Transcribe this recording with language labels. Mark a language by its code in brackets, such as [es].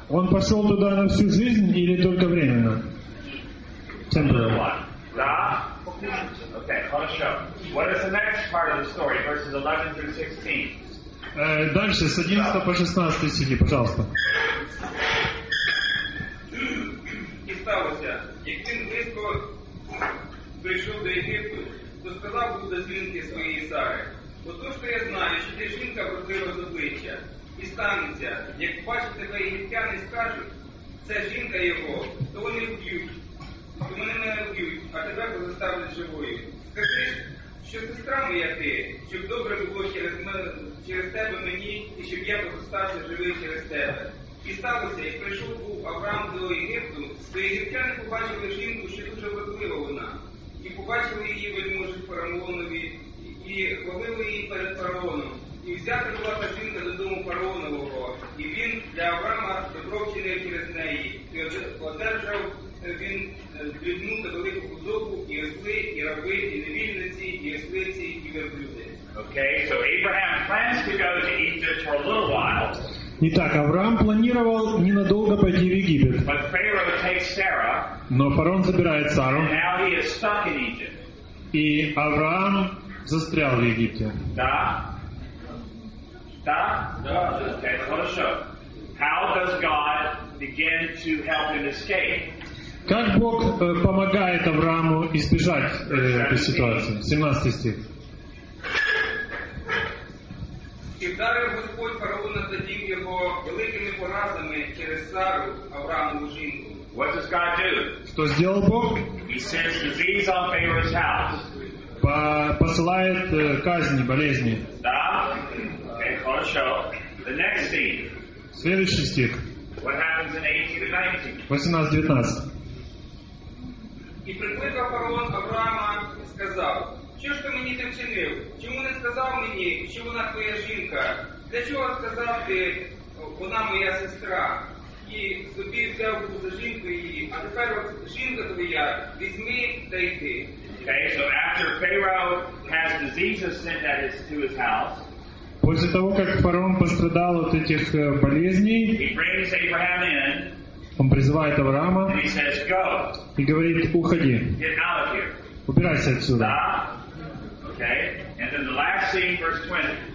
[ru] Он пошел туда на всю жизнь или только временно? Temporary. Да. Okay. Хорошо. [en] What is the next part of the story, verses 11 through 16? [ru] Дальше с 11 по 16 стихи, пожалуйста. [uk] И сталося, як він близько прийшов до Єгипту, то сказав до жінки своєї Сари. Бо то, що я знаю, що ти жінка вродлива з обличчя, і станеться, як бачить тебе єгиптяни і скажуть, це жінка його, то вони вб'ють, то вони мене вб'ють, а тебе позаставлять живою. Скажи, що сестра моя ти, щоб добре було через тебе мені, і щоб я позостався живий через тебе. І сталося, як прийшов був Авраам до Єгипту, то єгиптяни побачили жінку, що дуже вродлива вона, і побачили її вельможі фараонові, і ховили її перед фараоном. І взята була та жінка додому фараонового. І він для Авраама добро вчинив через неї. І одержав він людну та велику худобу, і осли, і раби, і невільниці, і ослиці, і верблюди. [en] Okay, so Abraham plans to go to Egypt for a little while. [ru] Итак, Авраам планировал ненадолго пойти в Египет. [en] But Pharaoh takes Sarah, [ru] но фараон забирает Сару. [en] And now he is stuck in Egypt. [ru] И Авраам застрял в Египте. Да. Да. Да. Okay, хорошо. [en] How does God begin to help him escape? [ru] Как Бог помогает Аврааму избежать этой ситуации? 17 стих. [uk] И вдарил Господь фараона за день его великими поразами через Сару, Авраамову жінку. [en] What does God do? [ru] Что сделал Бог? [en] He sends disease on Pharaoh's house. [ru] Посылает казни, болезни. [en] Да. Okay, хорошо. The next scene. [ru] Следующий стих. [en] What happens in 18-19? [ru] 18-19. [uk] И прикликав фараон Авраама, сказав, що ж ти мені тим чинив? Чому не сказав мені, що вона твоя жінка? Для чого сказав ти, вона моя сестра? І собі взяв за жінку її, а тепер жінка твоя, візьми та йди. [en] Okay, so after Pharaoh has diseases sent at his to his house, [ru] после того как фараон пострадал от этих болезней, [en] he brings Abraham in, [ru] он призывает Авраама, [en] and he says, "Go." [ru] И говорит, уходи. [en] Get out of here. [ru] Убирайся отсюда. [en] Да. Okay. And then the last scene, verse 20.